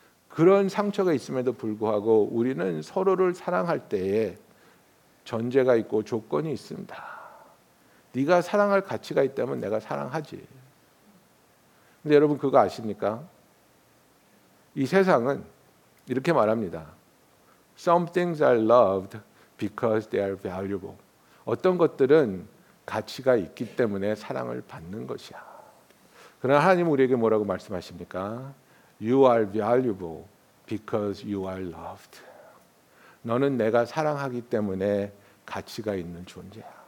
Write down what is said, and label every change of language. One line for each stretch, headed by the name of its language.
Korean: 그런 상처가 있음에도 불구하고 우리는 서로를 사랑할 때에 전제가 있고 조건이 있습니다. 네가 사랑할 가치가 있다면 내가 사랑하지. 근데 여러분 그거 아십니까? 이 세상은 이렇게 말합니다.
English: Some things are loved because they are valuable.
Korean: 어떤 것들은 가치가 있기 때문에 사랑을 받는 것이야. 그러나 하나님은 우리에게 뭐라고 말씀하십니까?
English: You are valuable because you are loved.
Korean: 너는 내가 사랑하기 때문에 가치가 있는 존재야.